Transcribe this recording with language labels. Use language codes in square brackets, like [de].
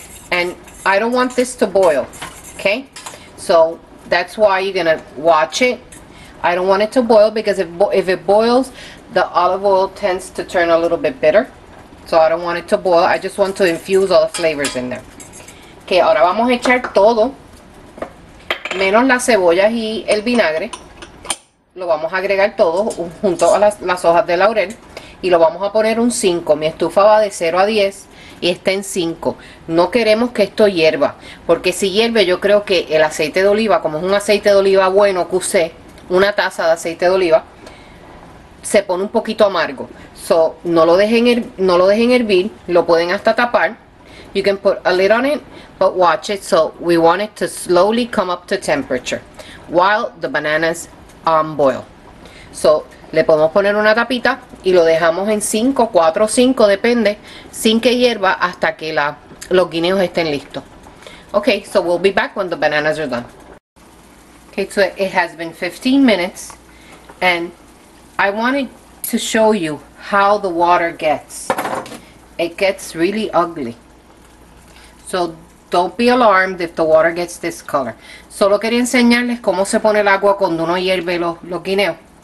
[en] And I don't want this to boil, okay? So that's why you're gonna watch it. I don't want it to boil because if it boils, the olive oil tends to turn a little bit bitter. So I don't want it to boil. I just want to infuse all the flavors in there. [es] Okay, ahora vamos a echar todo, menos la cebolla y el vinagre. Lo vamos a agregar todo junto a las hojas de laurel. Y lo vamos a poner un 5. Mi estufa va de 0 a 10 y está en 5. No queremos que esto hierva, porque si hierve, yo creo que el aceite de oliva, como es un aceite de oliva bueno que usé, una taza de aceite de oliva, se pone un poquito amargo. So, no lo dejen hervir, lo pueden hasta tapar. [en] You can put a lid on it, but watch it. So, we want it to slowly come up to temperature while the bananas boil. [es] So, le podemos poner una tapita y lo dejamos en 5, 4, 5, depende, sin que hierva hasta que los guineos estén listos. [en] Okay, so we'll be back when the bananas are done. Okay, so it has been 15 minutes, and I wanted to show you how the water gets. It gets really ugly. So don't be alarmed if the water gets this color. [es] Solo quería enseñarles cómo se pone el agua cuando uno hierve los guineos.